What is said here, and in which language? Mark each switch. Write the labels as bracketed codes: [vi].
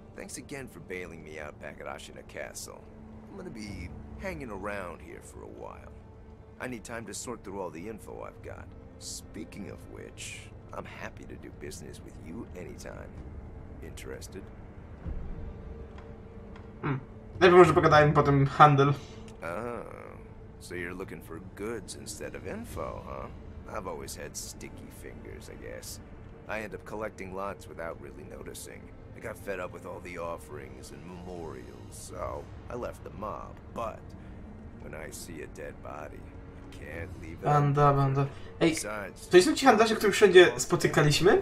[en] Thanks again for bailing me out back at Ashina Castle. I'm gonna be hanging around here for a while. I need time to sort through all the info I've got. Speaking of which, I'm happy to do business with you anytime. Interested? [pl] Najpierw może pogadajmy, potem handel. [en] Oh, so you're looking for goods instead of info, huh? I've always had sticky fingers, I guess. I end up collecting lots without really noticing. I got fed up with all the offerings and memorials, so I left the mob. But when I see a dead body, I can't leave it. [pl] Banda, banda. Ej, to jest ci handlarze, których wszędzie spotykaliśmy?